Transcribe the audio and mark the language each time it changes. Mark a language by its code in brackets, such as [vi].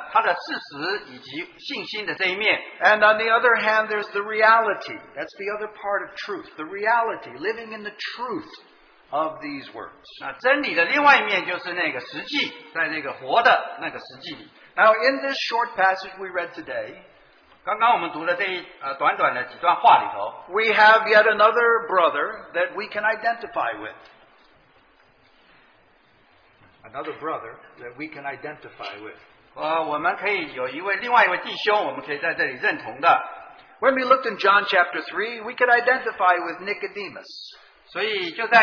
[zh] 一方面是真理的它的事实以及信心的这一面。 [en] And on the other hand, there's the reality. That's the other part of truth. The reality, living in the truth of these words. [zh] 那真理的另外一面就是那个实际，在那个活的那个实际里。 [en] Now in this short passage we read today, [zh] 刚刚我们读的这一短短的几段话里头, [en] we have yet another brother that we can identify with. Another brother that we can identify with. [zh] 我们可以有一位另外一位弟兄我们可以在这里认同的。 [en] When we looked in John chapter 3, we could identify with Nicodemus.